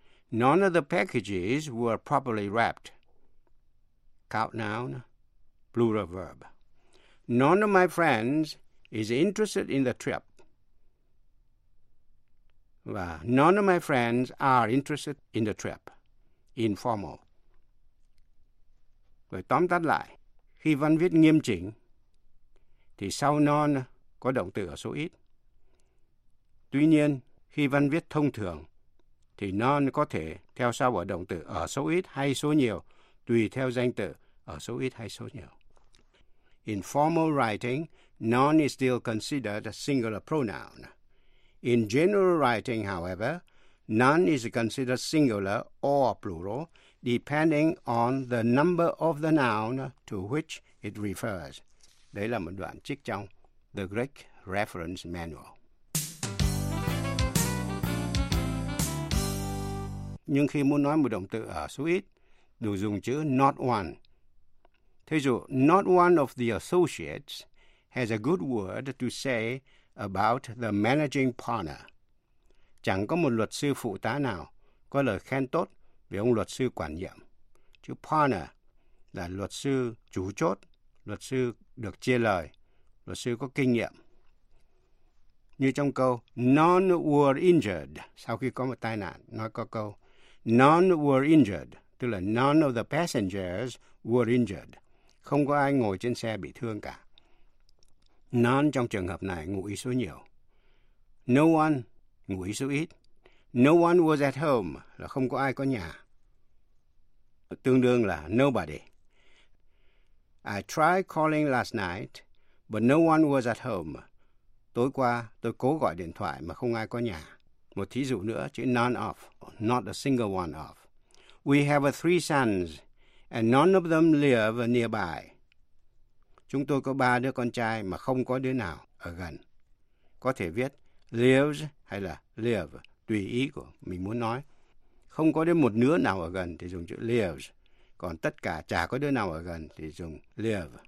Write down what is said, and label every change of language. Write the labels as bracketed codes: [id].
[en] None of the packages were properly wrapped. Count noun. Plural verb. None of my friends is interested in the trip. Và none of my friends are interested in the trip. Informal. [vi] Rồi tóm tắt lại, khi văn viết nghiêm chỉnh, thì sau none có động từ ở số ít. Tuy nhiên, khi văn viết thông thường, thì none có thể theo sau ở động từ ở số ít hay số nhiều, tùy theo danh từ ở số ít hay số nhiều. [en] In formal writing, noun is still considered a singular pronoun. In general writing, however, noun is considered singular or plural depending on the number of the noun to which it refers. [vi] Đây là một đoạn trích trong The Greek Reference Manual. Nhưng khi muốn nói một động từ ở số ít, đủ dùng chữ not one. [en] Thí dụ, not one of the associates has a good word to say about the managing partner. [vi] Chẳng có một luật sư phụ tá nào có lời khen tốt về ông luật sư quản nhiệm. Chữ partner là luật sư chủ chốt, luật sư được chia lời, luật sư có kinh nghiệm. Như trong câu, [en] none were injured, [vi] sau khi có một tai nạn, nói có câu, none were injured, tức là [en] none of the passengers were injured. [vi] Không có ai ngồi trên xe bị thương cả. None trong trường hợp này ngụ ý số nhiều. No one, ngụ ý số ít. [en] No one was at home, [vi] là không có ai có nhà. Tương đương là nobody. [en] I tried calling last night, but no one was at home. [vi] Tối qua, tôi cố gọi điện thoại mà không ai có nhà. Một thí dụ nữa, chữ none of, [en] not a single one of. We have three sons, and none of them live nearby. [vi] Chúng tôi có ba đứa con trai mà không có đứa nào ở gần. Có thể viết lives hay là live, tùy ý của mình muốn nói. Không có đứa một đứa nào ở gần thì dùng chữ lives. Còn tất cả chả có đứa nào ở gần thì dùng live.